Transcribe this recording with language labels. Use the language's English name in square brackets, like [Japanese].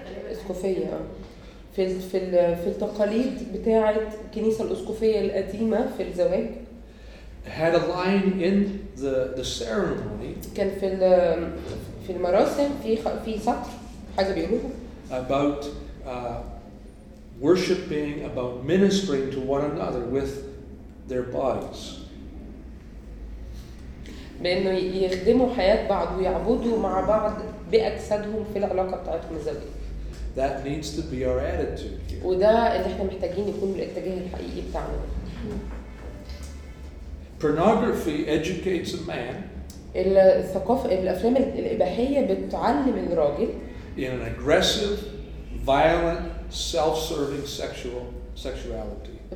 [Arabic] الأسقفية في التقاليد بتاعة الكنيسة الأسقفية القديمة في الزواج. [English] Had a line in the ceremony. [Arabic] كان في المراسم في سطر حاجة بيقولوها. [English] About worshiping, about ministering to one another with their bodies. [Arabic] بأنه يخدموا حياة بعض ويعبدوا مع بعض بأجسادهم في العلاقة بتاعتهم الزوجية. [English] That needs to be our attitude. [Arabic] وده اللي احنا محتاجين يكون الاتجاه الحقيقي بتاعنا. [English] Pornography educates a man. [Arabic] الثقافة الأفلام الإباحية بتعلم الراجل. [English] In an aggressive, violent, self-serving sexuality.